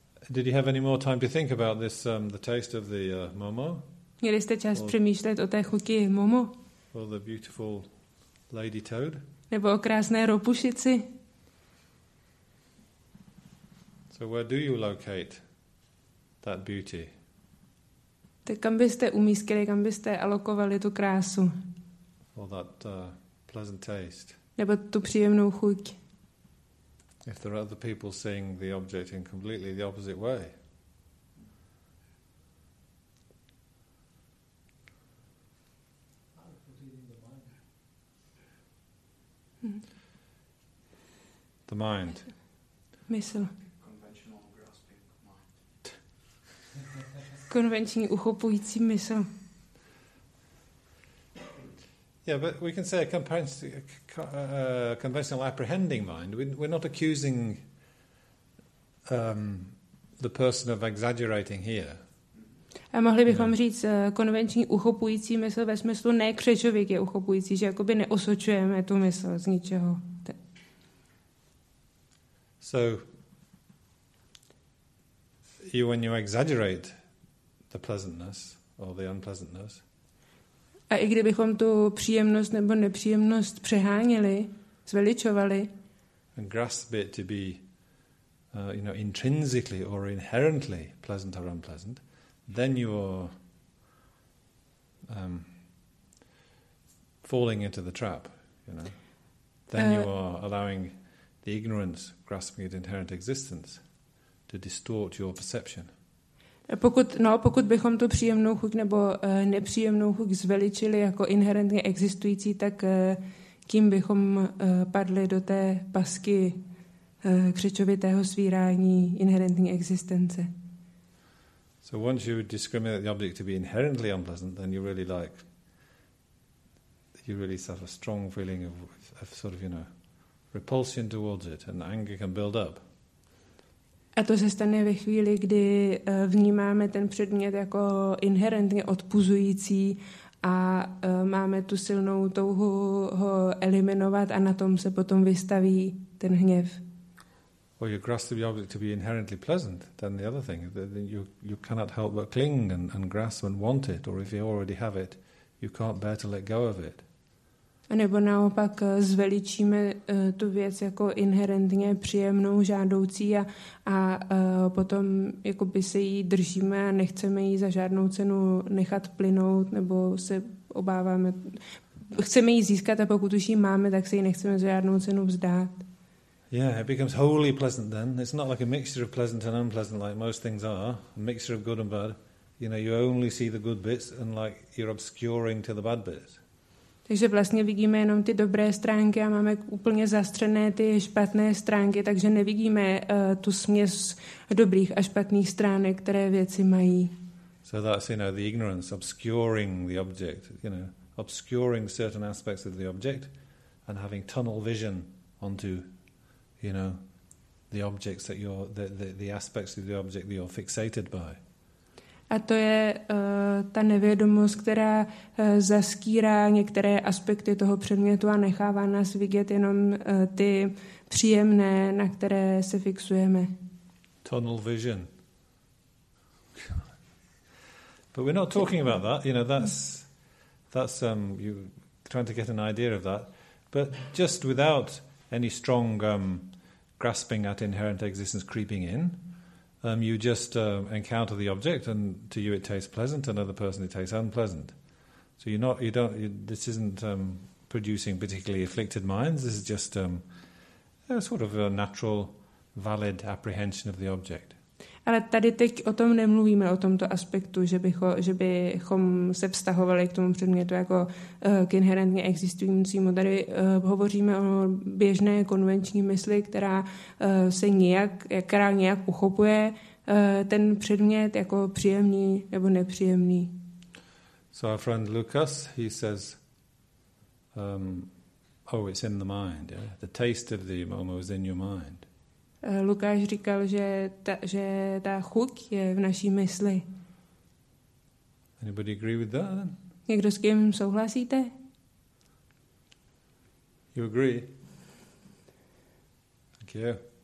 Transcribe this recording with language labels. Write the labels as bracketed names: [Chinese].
[English] Did you have any more time to think about this the taste of the momo? [Czech] Měli jste čas přemýšlet o té chuti momo? [English] Or the beautiful lady toad? [Czech] Nebo o krásné ropušici? [English] So where do you locate that beauty? [Czech] Tak kam byste umístili, kam byste alokovali tu krásu? [English] Or that pleasant taste? [Czech] Nebo tu příjemnou chuť? [English] If there are other people seeing the object in completely the opposite way. The mind. [Czech] Mysl. [English] Conventional grasping mind. [Czech] Konvenční uchopující mysl. [English] Yeah, but we can say a conventional apprehending mind. We're not accusing the person of exaggerating here. [Czech] A mohli bychom říct konvenční uchopující mysl ve smyslu ne křečovík je uchopující, že jakoby neosočujeme tu mysl z ničeho. [English] So, when you exaggerate the pleasantness or the unpleasantness, [Czech] a i kdybychom tu příjemnost nebo nepříjemnost přeháněli, zveličovali, [English] and grasp it to be intrinsically or inherently pleasant or unpleasant, then you are falling into the trap, then you are allowing the ignorance grasping at inherent existence to distort your perception. [Czech] Pokud bychom tu příjemnou chuť nebo nepříjemnou chuť zveličili jako inherentně existující, tak tím bychom padli do té pasky křečovitého svírání inherentní existence. [English] So once you discriminate the object to be inherently unpleasant, then you really have a strong feeling of repulsion towards it, and anger can build up. [Czech] A to se stane ve chvíli, kdy vnímáme ten předmět jako inherentně odpuzující a máme tu silnou touhu ho eliminovat a na tom se potom vystaví ten hněv. [English] or you grasp the object to be inherently pleasant, then the other thing, you cannot help but cling and grasp and want it, or if you already have it, you can't bear to let go of it. [Czech] A nebo naopak zveličíme tu věc jako inherentně příjemnou, žádoucí a potom jakoby se jí držíme a nechceme jí za žádnou cenu nechat plynout nebo se obáváme. Chceme jí získat a pokud už jí máme, tak se jí nechceme za žádnou cenu vzdát. [English] Yeah, it becomes wholly pleasant then. It's not like a mixture of pleasant and unpleasant like most things are. A mixture of good and bad. You know, you only see the good bits and like you're obscuring to the bad bits. [Czech] Takže vlastně vidíme jenom ty dobré stránky a máme úplně zastřené ty špatné stránky, takže nevidíme tu směs dobrých a špatných stránek, které věci mají. [English] So that's, you know, the ignorance, obscuring the object, you know, obscuring certain aspects of the object and having tunnel vision onto, you know, the objects that you're, the aspects of the object that you're fixated by. [Czech] A to je ta nevědomost, která zaskýrá některé aspekty toho předmětu a nechává nás vidět jenom ty příjemné, na které se fixujeme. [English] Tunnel vision. But we're not talking about that. You know, that's you're trying to get an idea of that. But just without any strong grasping at inherent existence creeping in, encounter the object, and to you it tastes pleasant. Another person it tastes unpleasant. So you're not, you don't. You, this isn't producing particularly afflicted minds. This is just a sort of a natural, valid apprehension of the object. [Czech] Ale tady teď o tom nemluvíme, o tomto aspektu, že bychom se vztahovali k tomu předmětu jako k inherentně existujícímu. Tady hovoříme o běžné konvenční mysli, která nějak uchopuje ten předmět jako příjemný nebo nepříjemný. [English] So our friend Lucas, he says, it's in the mind. Yeah? The taste of the momo is in your mind. [Czech] Lukáš říkal, že ta chuť je v naší mysli. [English] Anybody agree with that? [Czech] Někdo s kým souhlasíte? [English] You agree? Thank you.